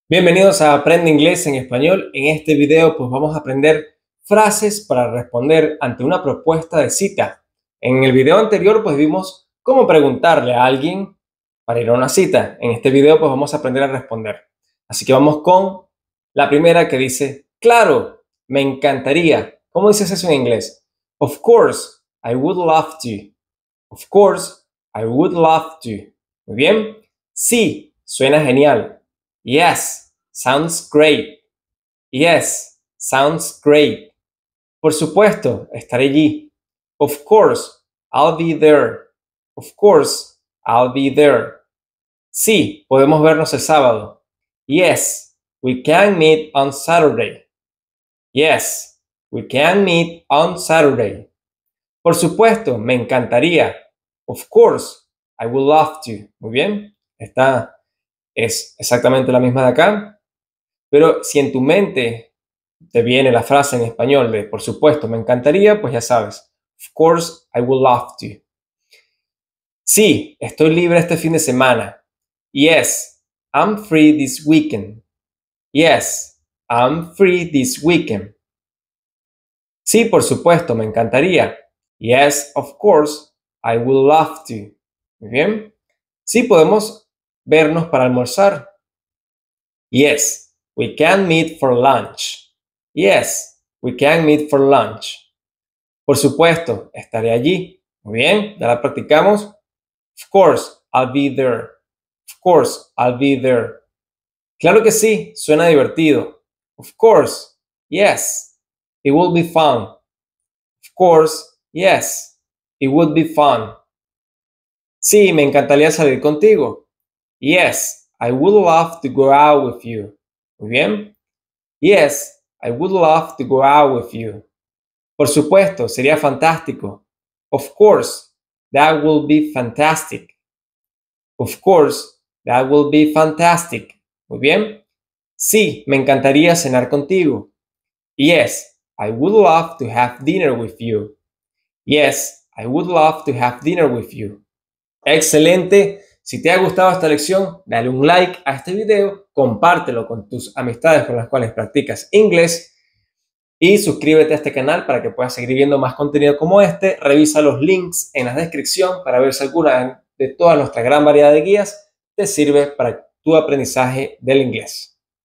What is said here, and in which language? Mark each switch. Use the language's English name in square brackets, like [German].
[Spanish] Bienvenidos a Aprende Inglés en Español. En este video, pues vamos a aprender frases para responder ante una propuesta de cita. En el video anterior, pues vimos cómo preguntarle a alguien para ir a una cita. En este video, pues vamos a aprender a responder. Así que vamos con la primera que dice: Claro, me encantaría. ¿Cómo dices eso en inglés? [English] Of course, I would love to. Of course, I would love to. [Spanish] Muy bien. Sí, suena genial. [English] Yes, sounds great. [Spanish] Yes, sounds great. Por supuesto, estaré allí. [English] Of course, I'll be there. Of course, I'll be there. [Spanish] Sí, podemos vernos el sábado. [English] Yes, we can meet on Saturday. Yes, we can meet on Saturday. [Spanish] Por supuesto, me encantaría. [English] Of course, I would love to. [Spanish] Muy bien. Está. Es exactamente la misma de acá, pero si en tu mente te viene la frase en español de por supuesto, me encantaría, pues ya sabes, [English] of course, I would love to. [Spanish] Sí, estoy libre este fin de semana. [English] Yes, I'm free this weekend. Yes, I'm free this weekend. [Spanish] Sí, por supuesto, me encantaría. [English] Yes, of course, I would love to. [Spanish] Muy bien. Sí, podemos vernos para almorzar. [English] Yes, we can meet for lunch. Yes, we can meet for lunch. [Spanish] Por supuesto, estaré allí. Muy bien, ya la practicamos. [English] Of course, I'll be there. Of course, I'll be there. [Spanish] Claro que sí, suena divertido. [English] Of course, yes, it will be fun. Of course, yes, it would be fun. [Spanish] Sí, me encantaría salir contigo. [English] Yes, I would love to go out with you. [Spanish] Muy bien. [English] Yes, I would love to go out with you. [Spanish] Por supuesto, sería fantástico. [English] Of course, that will be fantastic. Of course, that will be fantastic. [Spanish] Muy bien. Sí, me encantaría cenar contigo. [English] Yes, I would love to have dinner with you. Yes, I would love to have dinner with you. [Spanish] Excelente. Si te ha gustado esta lección, dale un like a este video, compártelo con tus amistades con las cuales practicas inglés y suscríbete a este canal para que puedas seguir viendo más contenido como este. Revisa los links en la descripción para ver si alguna de toda nuestra gran variedad de guías te sirve para tu aprendizaje del inglés.